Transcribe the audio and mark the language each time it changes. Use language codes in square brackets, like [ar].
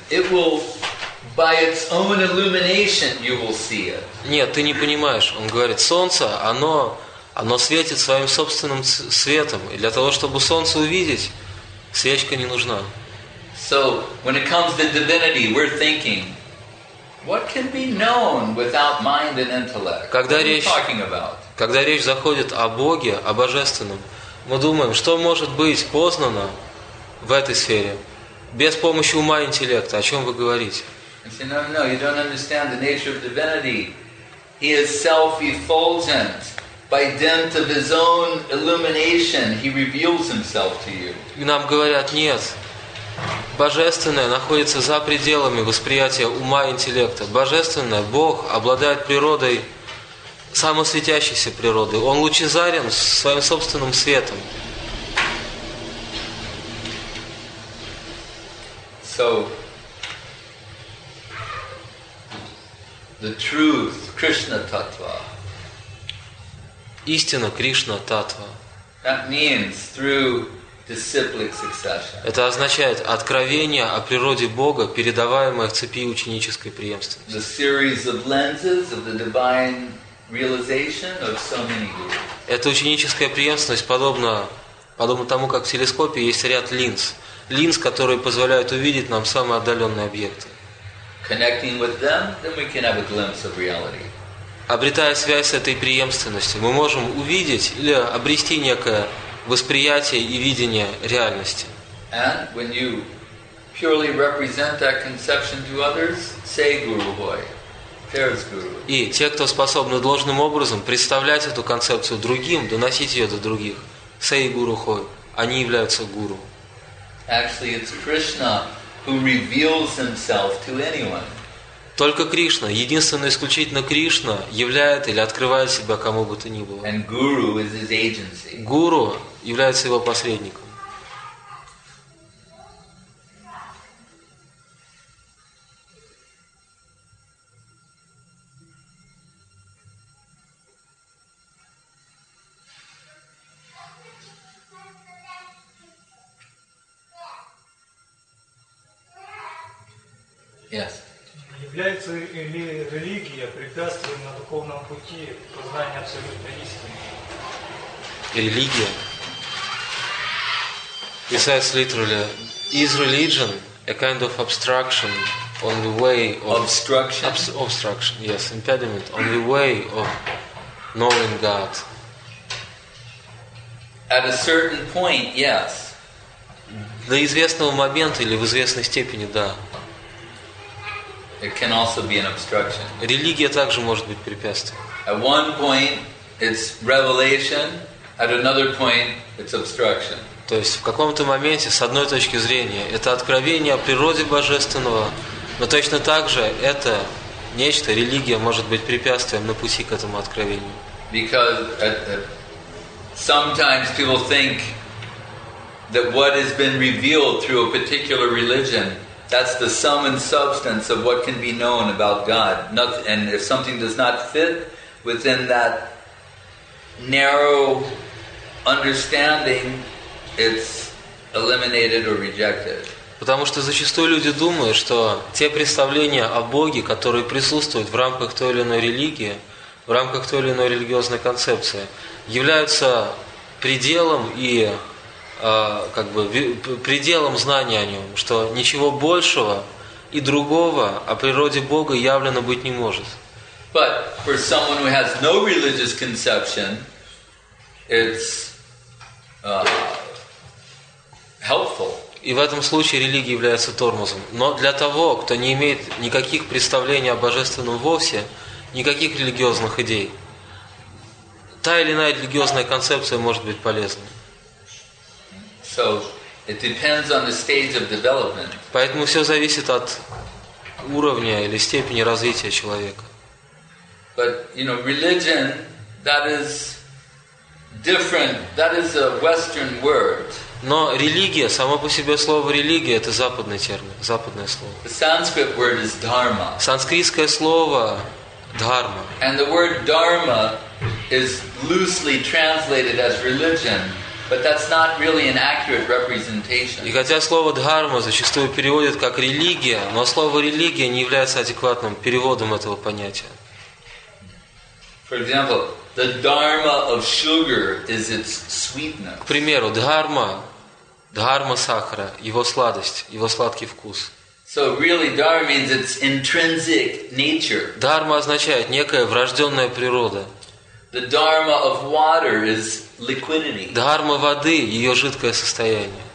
[en] It will, by its own illumination, you will see it. [ru] Нет, ты не понимаешь. Он говорит, солнце, оно светит своим собственным светом. И для того, чтобы солнце увидеть, свечка не нужна. [en] So, when it comes to divinity, we're thinking, what can be known without mind and intellect? [ru] Когда [en] what are [ru] речь, [en] you talking about? [ru] Когда речь заходит о Боге, о Божественном, мы думаем, что может быть познано в этой сфере без помощи ума и интеллекта. О чем вы говорите? [en] Say, no, you don't understand the nature of divinity. He is self-effulgent. By dint of his own illumination, he reveals himself to you. [ru] И нам говорят, нет. Божественное находится за пределами восприятия ума и интеллекта. Божественное, Бог, обладает природой, самосветящейся природой. Он лучезарен своим собственным светом. [en] So, the truth, Krishna tattva. [ru] Истина Кришна Таттва. [en] That means through disciplic succession. [ru] Это означает откровение о природе Бога, передаваемое в цепи ученической преемственности. [en] The series of lenses of the divine realization of so many gurus. [ru] Эта ученическая преемственность подобна тому, как в телескопе есть ряд линз. Линз, которые позволяют увидеть нам самые отдаленные объекты. [en] Connecting with them, then we can have a glimpse of reality. [ru] Обретая связь с этой преемственностью, мы можем увидеть или обрести некое восприятие и видение реальности. [en] And when you purely represent that conception to others, say Guru Hoy, there's Guru. [ru] И те, кто способны должным образом представлять эту концепцию другим, доносить ее до других, [en] say Guru Hoy, [ru] они являются гуру. [en] Actually, it's Krishna who reveals himself to anyone. [ru] Только Кришна, единственно исключительно Кришна, являет или открывает себя кому бы то ни было. [en] And Guru is his agency. [ru] Гуру является его посредником. [en] Yes. [ru] Является ли религия препятствием на духовном пути познания абсолютной истины? Религия? [en] Besides literally, is religion a kind of obstruction on the way of... Obstruction? Obstruction, yes, impediment on the way of knowing God. At a certain point, yes. [ru] До известного момента или в известной степени, да. [en] It can also be an obstruction. [ru] Религия также может быть препятствием. [en] At one point it's revelation, at another point it's obstruction. [ru] То есть в каком-то моменте, с одной точки зрения, это откровение о природе божественного, но точно так же это нечто, религия может быть препятствием на пути к этому откровению. [en] Because sometimes people think that what has been revealed through a particular religion, that's the sum and substance of what can be known about God. And if something does not fit within that narrow understanding, it's eliminated or rejected. [ru] Потому что зачастую люди думают, что те представления о Боге, которые присутствуют в рамках той или иной религии, в рамках той или иной религиозной концепции, являются пределом и как бы пределом знания о нем, что ничего большего и другого о природе Бога явлено быть не может. [en] But for someone who has no religious conception, it's helpful. [ru] И в этом случае религия является тормозом. Но для того, кто не имеет никаких представлений о божественном вовсе, никаких религиозных идей, та или иная религиозная концепция может быть полезна. [en] So, it depends on the stage of development. [ru] Поэтому все зависит от уровня или степени развития человека. [en] But, you know, religion, that is different, that is a Western word. [ru] Но религия, само по себе слово религия, это западный термин, западное слово. [en] The Sanskrit word is dharma. [ru] Санскритское слово дхарма. [en] And the word dharma is loosely translated as religion, but that's not really an accurate representation. [ru] И хотя слово дхарма зачастую переводят как религия, но слово религия не является адекватным переводом этого понятия. [en] For example, the dharma of sugar is its sweetness. [ru] К примеру, дхарма сахара, его сладость, его сладкий вкус. [en] So really, dharma means its intrinsic nature. [ru] Дхарма означает некая врожденная природа. [en] The dharma of water is liquidity. [ru] Дхарма воды, ее жидкое состояние.